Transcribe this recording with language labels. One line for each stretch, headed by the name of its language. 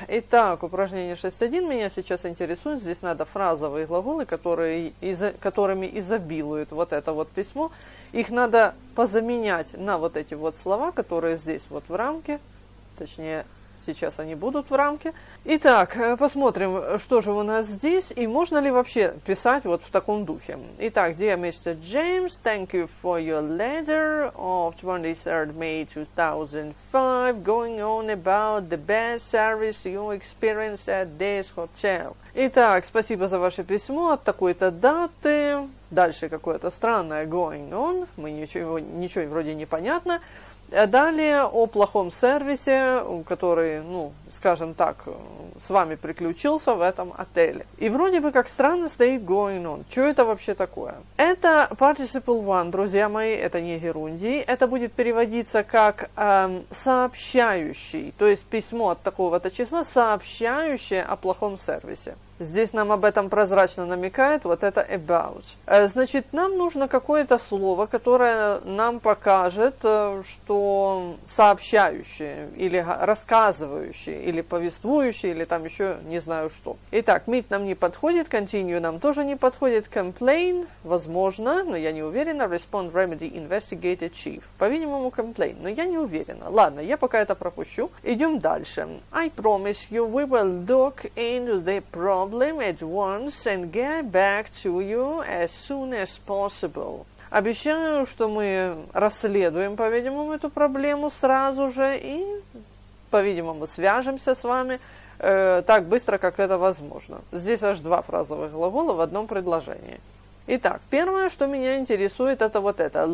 Russian: Итак, упражнение 6.1 меня сейчас интересует. Здесь надо фразовые глаголы, которыми изобилует вот это вот письмо. Их надо позаменять на вот эти вот слова, которые здесь вот в рамке, точнее, сейчас они будут в рамке. Итак, посмотрим, что же у нас здесь, и можно ли вообще писать вот в таком духе. Итак,
English: dear Mr. James, thank you for your letter of 23rd May 2005, going on about the best service you experienced at this hotel.
Russian: Итак, спасибо за ваше письмо от такой-то даты. Дальше какое-то странное going on, мы ничего вроде не понятно. А далее о плохом сервисе, который, ну, скажем так, с вами приключился в этом отеле. И вроде бы как странно стоит going on. Что это вообще такое? Это participle one, друзья мои, это не герундий. Это будет переводиться как сообщающий, то есть письмо от такого-то числа, сообщающее о плохом сервисе. Здесь нам об этом прозрачно намекает вот это about. Значит, нам нужно какое-то слово, которое нам покажет, что сообщающее, или рассказывающее, или повествующее, или там еще не знаю что. Итак, meet нам не подходит, continue нам тоже не подходит, complain, возможно, но я не уверена, respond, remedy, investigate, achieve. По-видимому, complain, но я не уверена. Ладно, я пока это пропущу. Идем дальше.
English: I promise you we will look into the problem at once and get back to you as soon as possible.
Russian: Обещаю, что мы расследуем, по-видимому, эту проблему сразу же и, по-видимому, свяжемся с вами так быстро, как это возможно. Здесь аж два фразовых глагола в одном предложении. Итак, первое, что меня интересует, это вот это.